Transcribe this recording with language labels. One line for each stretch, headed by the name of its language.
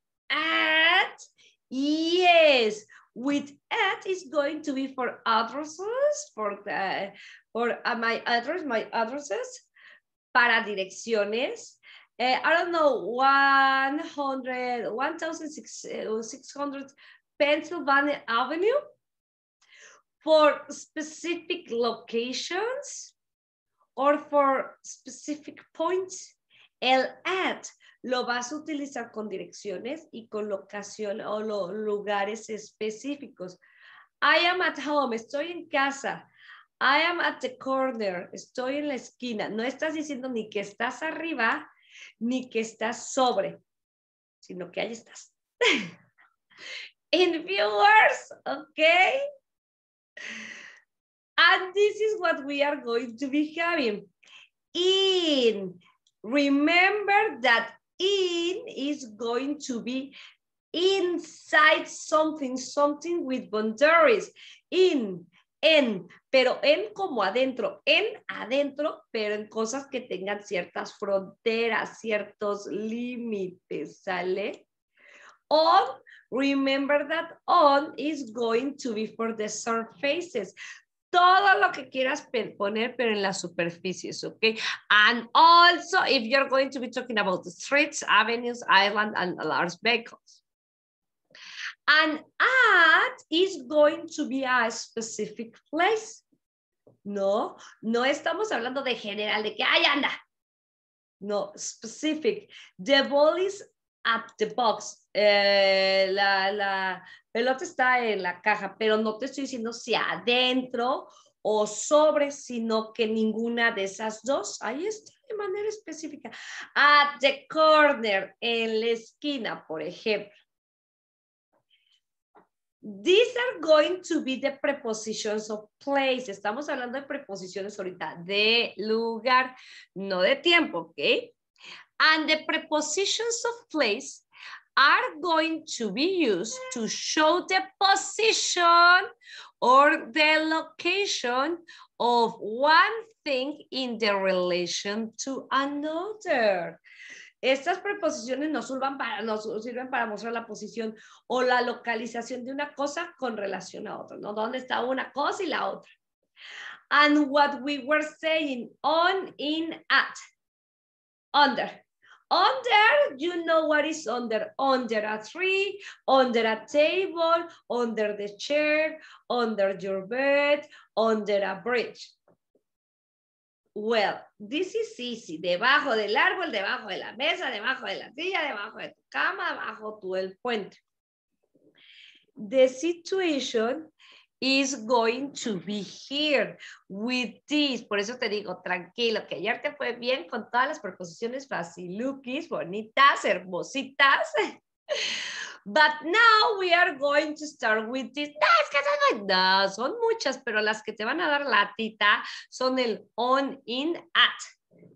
English: At, yes. With at is going to be for addresses, my addresses,
Spanish: para direcciones.
English: I don't know, 1600 Pennsylvania Avenue for specific locations or for specific points.
Spanish: El at lo vas a utilizar con direcciones y con locación o lugares específicos.
English: I am at home,
Spanish: estoy en casa.
English: I am at the corner,
Spanish: estoy en la esquina. No estás diciendo ni que estás arriba, ni que estás sobre, sino que ahí estás.
English: In viewers, okay? And this is what we are going to be having. In, remember that in is going to be inside something, something with boundaries.
Spanish: In, pero en como adentro, en adentro, pero en cosas que tengan ciertas fronteras, ciertos límites, ¿sale?
English: On, remember that on is going to be for the surfaces.
Spanish: Todo lo que quieras poner, pero en las superficies, ¿ok?
English: And also, if you're going to be talking about the streets, avenues, islands, and large vehicles. And at is going to be a specific place.
Spanish: No, no estamos hablando de general, de que ahí anda.
English: No, specific. The ball is at the box.
Spanish: La pelota está en la caja, pero no te estoy diciendo si adentro o sobre, sino que ninguna de esas dos. Ahí está de manera específica.
English: At the corner,
Spanish: en la esquina, por ejemplo.
English: These are going to be the prepositions of place.
Spanish: Estamos hablando de preposiciones ahorita, de lugar, no de tiempo, okay?
English: And the prepositions of place are going to be used to show the position or the location of one thing in the relation to another.
Spanish: Estas preposiciones nos sirven para mostrar la posición o la localización de una cosa con relación a otra, ¿no? ¿Dónde está una cosa y la otra?
English: And what we were saying, on, in, at, under. Under, you know what is under. Under a tree, under a table, under the chair, under your bed, under a bridge. Well, this is easy.
Spanish: Debajo del árbol, debajo de la mesa, debajo de la silla, debajo de tu cama, bajo tu el puente.
English: The situation is going to be here with this.
Spanish: Por eso te digo, tranquilo, que ayer te fue bien con todas las preposiciones facilukis, bonitas, hermositas.
English: But now we are going to start with this.
Spanish: No, es que son, no, son muchas, pero las que te van a dar latita son el on, in, at.